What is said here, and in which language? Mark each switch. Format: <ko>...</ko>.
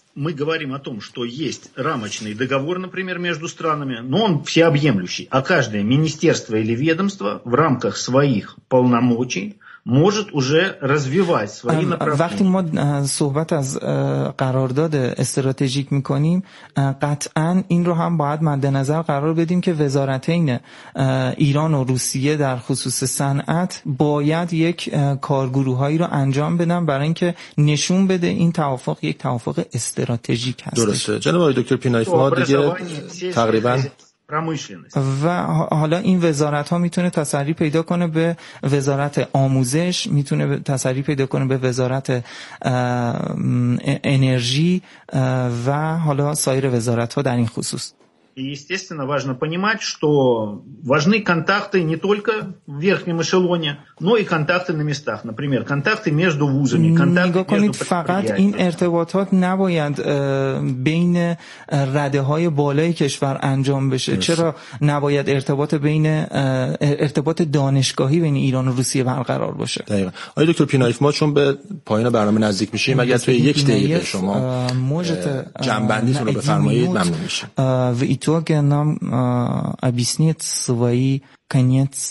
<ru>Мы говорим о том, что есть рамочный договор, например, между странами, но он всеобъемлющий. А каждое министерство или ведомство в рамках своих полномочий может уже развивать свои направления.</ru> <fa>Вقتی ما صحبت از قرارداد استراتژیک می‌کنیم، قطعاً این رو هم باید مد نظر قرار بدیم که وزارتین ایران و روسیه در خصوص صنعت باید یک کارگروهایی رو انجام بدن برای اینکه نشون بده این توافق یک توافق استراتژیک هست. درسته. جناب آقای دکتر پینایف ما دیگه تقریباً و حالا این وزارت ها میتونه تسری پیدا کنه به وزارت آموزش میتونه تسری پیدا کنه به وزارت انرژی و حالا سایر وزارت ها در این خصوص</fa> <ru>И естественно важно понимать, что важны контакты не только в верхнем эшелоне, но и контакты на местах. Например, контакты между вузами, контакты между предприятиями.</ru> <fa>فقط این ارتباطات نباید بین رده‌های بالای کشور انجام بشه. چرا نباید ارتباط بین ارتباط دانشگاهی بین ایران و روسیه برقرار باشه؟ دقیقاً. آقای دکتر پینایف ما چون به پایان برنامه نزدیک میشیم، اگر توی یک دقیقه شما جمع‌بندیتون رو بفرمایید ممنون میشم.</fa> <ru>Итоги нам объяснит свои конец.</ru>